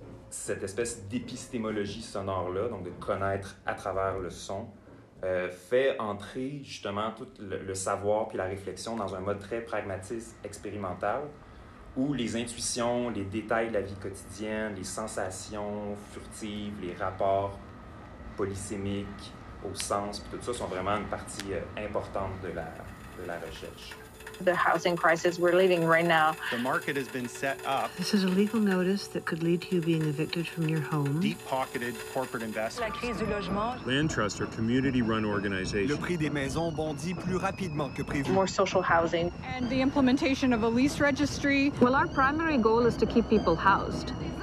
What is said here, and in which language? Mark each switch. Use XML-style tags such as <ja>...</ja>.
<fr>Cette espèce d'épistémologie sonore-là, donc de connaître à travers le son, fait entrer justement tout le savoir puis la réflexion dans un mode très pragmatiste, expérimental, où les intuitions, les détails de la vie quotidienne, les sensations furtives, les rapports polysémiques au sens, puis tout ça sont vraiment une partie importante de la recherche.</fr> <en>The housing crisis we're living right now. The market has been set up. This is a legal notice that could lead to you being evicted from your home. Deep-pocketed corporate investment.</en> <fr>La crise du logement.</fr> <en>Land trusts are community-run organizations.</en> <fr>Le prix des maisons bondit plus rapidement que prévu.</fr> <en>More social housing. And the implementation of a lease registry. Well, our primary goal is to keep people housed.</en>